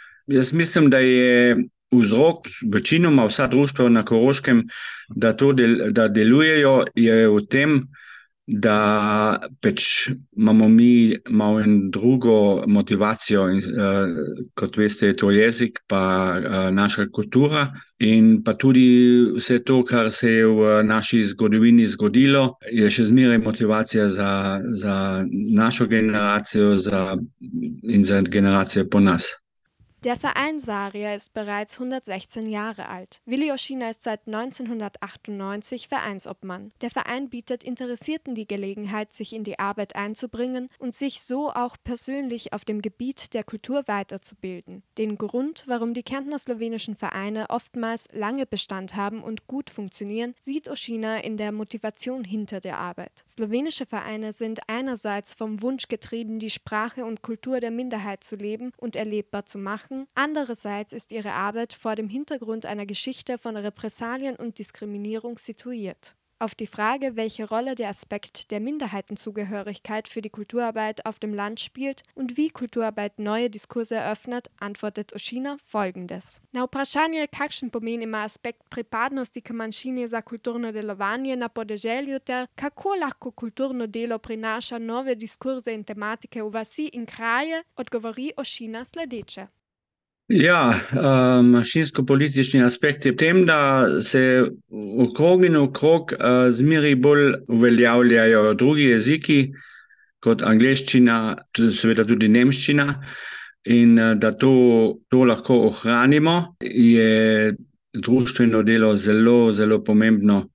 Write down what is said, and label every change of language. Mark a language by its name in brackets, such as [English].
[Slovenian] Jaz mislim, da je vzrok večinoma vsa društva na Koroškem, da to da delujejo, je v tem, da pač imamo mi malo in drugo motivacijo, kot veste, je to jezik, pa naša kultura in pa tudi vse to, kar se je v naši zgodovini zgodilo, je še zmeraj motivacija za našo generacijo in za generacijo po nas. [German] Der Verein Zarja ist bereits 116 Jahre alt. Vili Ošina ist seit 1998 Vereinsobmann. Der Verein bietet Interessierten die Gelegenheit, sich in die Arbeit einzubringen und sich so auch persönlich auf dem Gebiet der Kultur weiterzubilden. Den Grund, warum die Kärntner slowenischen Vereine oftmals lange Bestand haben und gut funktionieren, sieht Ošina in der Motivation hinter der Arbeit. Slowenische Vereine sind einerseits vom Wunsch getrieben, die Sprache und Kultur der Minderheit zu leben und erlebbar zu machen. Andererseits ist ihre Arbeit vor dem Hintergrund einer Geschichte von Repressalien und Diskriminierung situiert. Auf die Frage, welche Rolle der Aspekt der Minderheitenzugehörigkeit für die Kulturarbeit auf dem Land spielt und wie Kulturarbeit neue Diskurse eröffnet, antwortet Ošina folgendes. [Slovenian] Na vprašanje, kakšen pomen ima aspekt pripadnosti k manjšini za kulturno delovanje na podeželju ter kako lahko kulturno delo prinaša nove diskurze in tematike v vasi in kraje, odgovori Ošina sledeče. Ja, manjšinsko-politični aspekt je v tem, da se okrog in okrog zmeri bolj uveljavljajo drugi jeziki, kot angleščina, seveda tudi nemščina, in da to lahko ohranimo, je društveno delo zelo, zelo pomembno.